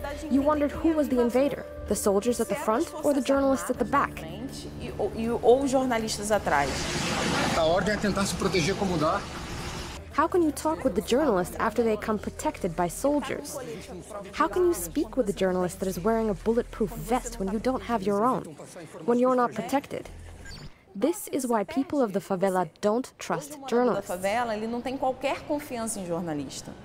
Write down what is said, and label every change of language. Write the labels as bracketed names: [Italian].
[English] You wondered who was the invader, the soldiers at the front or the journalists at the back? [Portuguese] Ou jornalistas atrás? A ordem é tentar se proteger como dá. [English] How can you talk with the journalist after they come protected by soldiers? How can you speak with the journalist that is wearing a bulletproof vest when you don't have your own, when you're not protected? This is why people of the favela don't trust journalists.